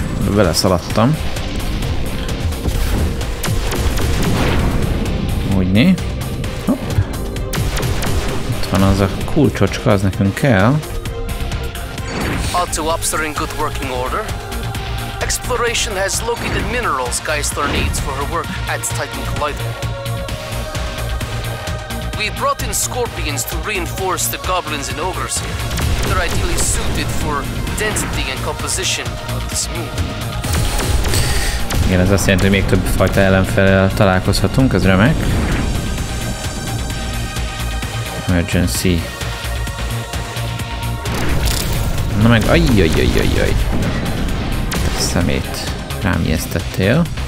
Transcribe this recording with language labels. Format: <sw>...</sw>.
<hu>Vele szaladtam. Úgyni. Hopp. Itt van az a kulcsocska, az nekünk kell.</hu> <en>Auto-ops are in good working order. Exploration has located minerals Geistler needs for her work at Titan Collider. We brought in scorpions to reinforce the goblins and ogres here. They're ideally suited for density and composition of this moon.</en> <hu>Igen, ez azt jelenti, hogy még több fajta ellenfelel találkozhatunk, ez remek.</hu> <en>Emergency.</en> <hu>Na meg, ajjajjajjajjaj. Szemét rám ijesztettél.</hu>